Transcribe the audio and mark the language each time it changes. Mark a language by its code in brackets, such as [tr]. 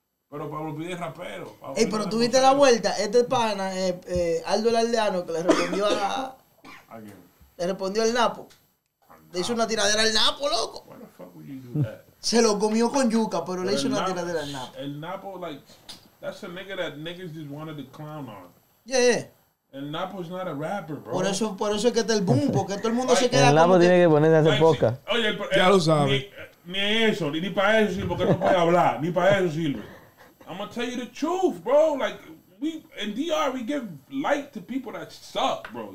[es] Pero Pablo Pide es rapero. Ey, pero tú viste la vuelta. Este pana, Aldo el Aldeano, que le respondió a... ¿A quién? Le respondió al Napo. Le hizo una tiradera al Napo, loco. [en] What the fuck would you do that? [es] Se lo comió con yuca, pero le hizo una tiradera al Napo. El Napo, [en] like, that's a nigga that niggas just wanted to clown on. Yeah, yeah. El Napo is not a rapper, bro. [es] Por eso es que está el boom, porque todo el mundo se queda con... El Napo tiene que ponerse a hacer poca. Oye, ya lo sabe. Ni eso, ni para eso sirve, porque no puede hablar. Ni para eso sirve. [en] I'm gonna tell you the truth, bro. Like, we in DR, we give light to people that suck, bro.